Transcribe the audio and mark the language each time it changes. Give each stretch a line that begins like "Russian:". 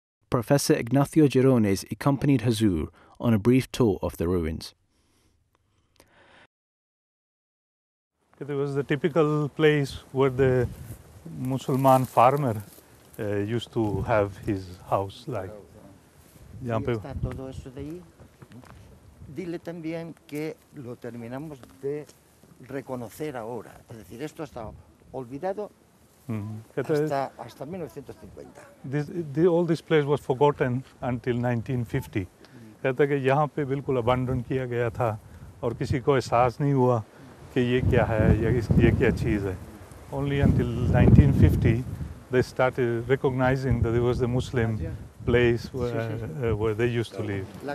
English: Professor Ignacio Girones accompanied Huzur on a brief tour of the ruins. It was the typical place where the Musulman farmer used to have his house, like.
Spanish: Dile también que lo terminamos de reconocer ahora. Es decir, esto está olvidado hasta 1950.
English: All this place was forgotten until 1950.
Hindi: कहता कि यहाँ पे बिल्कुल abandon किया गया था और किसी को एहसास नहीं हुआ कि ये क्या है या इसकी ये क्या चीज़ है.
English: Only until 1950 they started recognizing that it was the Muslim place where they used to live.